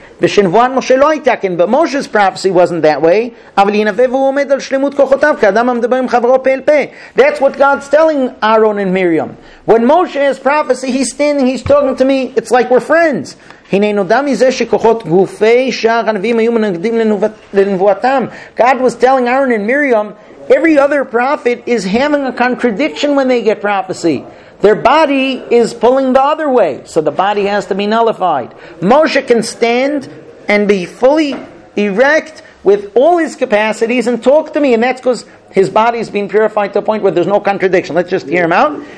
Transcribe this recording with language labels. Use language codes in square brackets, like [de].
[he] ושנבואן משה לא הייתה כן, [en] but Moses' prophecy wasn't that way. [he] אבל ינבא והוא עומד על שלמות כוחותיו, כאדם המדבר עם חברו פה אל פה. [en] That's what God's telling Aaron and Miriam. When Moshe has prophecy, he's standing, he's talking to me, it's like we're friends. [he] הנה נודע מזה שכוחות גופי שער הנביאים היו מנגדים לנבואתם. [en] God was telling Aaron and Miriam, every other prophet is having a contradiction when they get prophecy. Their body is pulling the other way, so the body has to be nullified. Moshe can stand and be fully erect with all his capacities and talk to me, and that's because his body has been purified to a point where there's no contradiction. Let's just hear him out.